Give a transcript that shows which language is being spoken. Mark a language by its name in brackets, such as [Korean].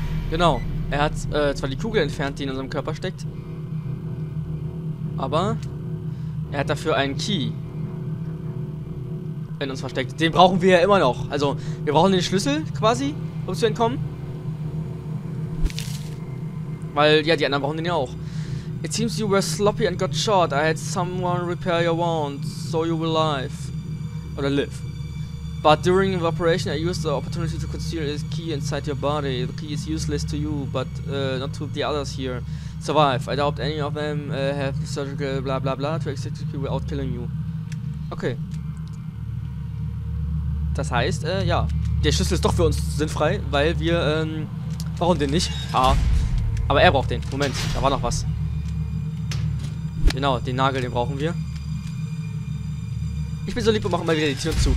[German] Genau, er hat zwar die Kugel entfernt, die in unserem Körper steckt, aber er hat dafür einen Key in uns versteckt. Den brauchen wir ja immer noch. Also, wir brauchen den Schlüssel quasi, um zu entkommen. Weil, ja, die anderen brauchen den ja auch. [English] It seems you were sloppy and got shot. I had someone repair your wound, so you will live. [German] Oder [English] live. But during the operation, I used the opportunity to conceal a key inside your body. The key is useless to you, but not to the others here. Survive. I doubt any of them have the surgical blah blah blah to execute you without killing you. Okay. [German] Das heißt, ja. Der Schlüssel ist doch für uns sinnfrei, weil wir, brauchen den nicht. Ah. Aber er braucht den. Moment, da war noch was. Genau, den Nagel, den brauchen wir. Ich bin so lieb und mache immer wieder die Tür zu.